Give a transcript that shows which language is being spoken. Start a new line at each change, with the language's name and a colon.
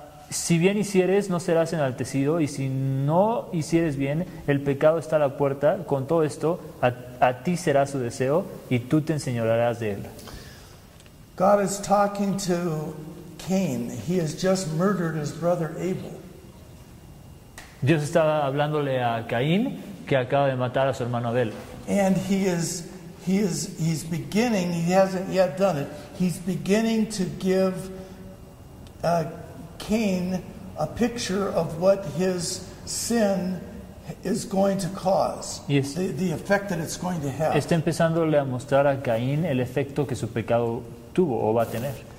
Spanish: Si bien hicieres, no serás enaltecido, y si no hicieres bien, el pecado está a la puerta. Con todo esto, a ti será su deseo, y tú te enseñorarás de él.
English: God is talking to Cain. He has just murdered his brother Abel.
Spanish: Dios estaba hablándole a Caín, que acaba de matar a su hermano Abel.
English: And he's beginning, he hasn't yet done it, he's beginning to give Cain a picture of what his sin is going to cause, yes, the effect that it's going to have.
Spanish: Está empezándole a mostrar a Caín el efecto que su pecado tuvo o va a tener.